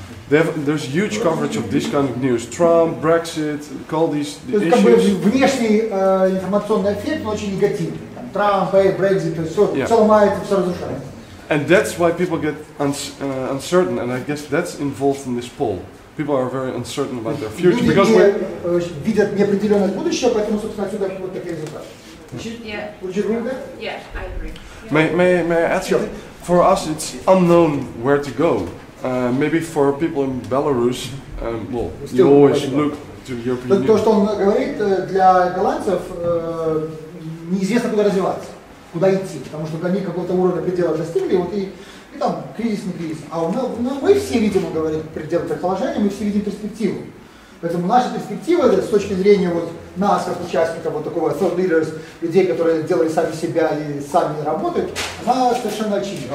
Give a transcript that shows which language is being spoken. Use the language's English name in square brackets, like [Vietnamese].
[English] There's huge coverage of this kind of news. Trump, Brexit, all these issues. [Russian] То есть, как бы, внешний информационный эффект очень негативный. Трамп, Брексит, все ломается, все разрушается. [English] And that's why people get uncertain, and I guess that's involved in this poll. People are very uncertain about their future because we [Russian] видят неопределённое будущее, поэтому собственно отсюда вот такие результаты. [English] Yeah. Yeah, I agree. Yeah. May I ask? Sure. For us, it's unknown where to go. Maybe for people in Belarus, well, you always look to European Union. [Russian] То, что он говорит, для голландцев неизвестно, куда развиваться. Куда идти, потому что они какого-то уровня предела достигли, вот и там кризис, не кризис. А мы все, видимо, говорим, предел предположения, мы все видим перспективу. Поэтому наша перспектива, это, с точки зрения вот, нас, как участников, вот такого thought leaders, людей, которые делали сами себя и сами работают, она совершенно очевидна.